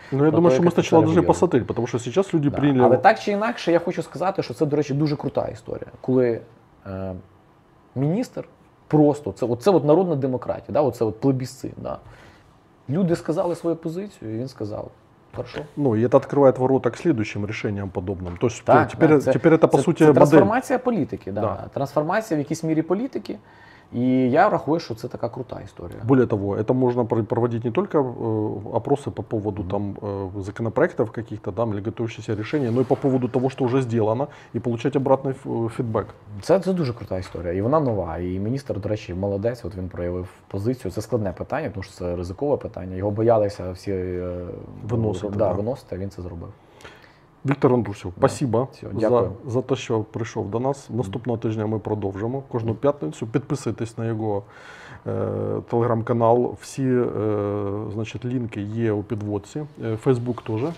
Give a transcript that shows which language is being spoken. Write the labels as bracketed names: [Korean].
[Ukrainian] Ну, я думаю, що ми спочатку повинні посадити, тому що зараз люди прийняли. Але так чи інакше, я хочу сказати, що це, до речі, дуже крута історія. Коли міністр просто, це от народна демократія, да? Оце от плебісцит. Да? Люди сказали свою позицію, і він сказав. [Russian] Хорошо. Ну, и это открывает ворота к следующим решениям подобным. То есть так, теперь, да, теперь это по сути модель. Трансформация политики, да. Трансформация в какой-то мере политики. И я рахую, что это такая крутая история. Более того, это можно проводить не только опросы по поводу там, законопроектов каких-то там, или готовящихся решений, но и по поводу того, что уже сделано, и получать обратный фидбэк. Это очень крутая история. И она новая. И министр, до речи, молодец. Вот он проявил позицию. Это сложное питание, потому что это рисковое питание. Его боялись все выносить. Да, выносить, а он это сделал. [Ukrainian] Віктор Андрусів, спасибо за те, що прийшов до нас. Наступного тижня ми продовжимо. Кожну п'ятницю підписуйтесь на його телеграм-канал. Всі, значить, лінки є у підводці. Фейсбук теж.